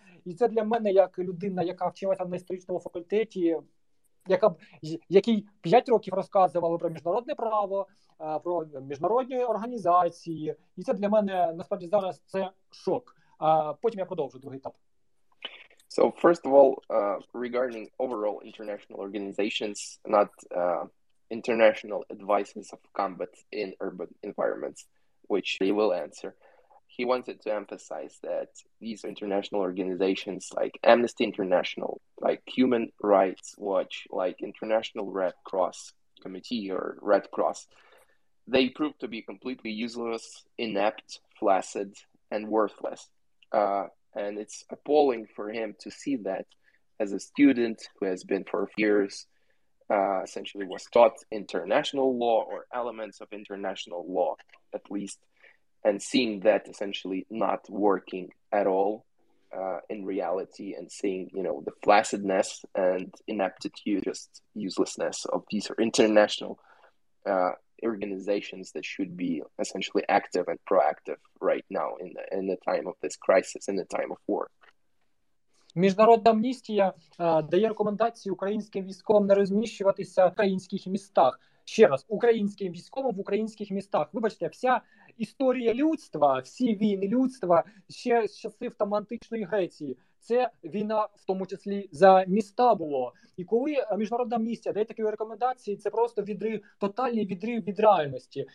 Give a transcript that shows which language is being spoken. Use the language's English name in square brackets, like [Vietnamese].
[Ukrainian] І це для мене, як людина, яка вчилася на історичному факультеті, який 5 років розказувала про міжнародне право, про міжнародні організації. І це для мене, насправді, зараз це шок. Потім я продовжу другий етап. [English] So, first of all, regarding overall international organizations, not international advices of combat in urban environments, which he will answer. He wanted to emphasize that these international organizations like Amnesty International, like Human Rights Watch, like International Red Cross Committee or Red Cross, they proved to be completely useless, inept, flaccid, and worthless. And it's appalling for him to see that as a student who has been for years essentially was taught international law or elements of international law, at least, and seeing that essentially not working at all in reality and seeing, you know, the flaccidness and ineptitude, just uselessness of these international organizations that should be essentially active and proactive right now in the time of this crisis, in the time of war. [Ukrainian] Міжнародна амністія дає рекомендації українським військовим не розміщуватися в українських містах. ще раз, українським військовим в українських містах. Вибачте, вся історія людства, всі війни людства ще з часів там античної Греції. Це війна, в тому числі, за міста було. І коли міжнародна місія дає такі рекомендації, це просто відрив, тотальний відрив від реальності.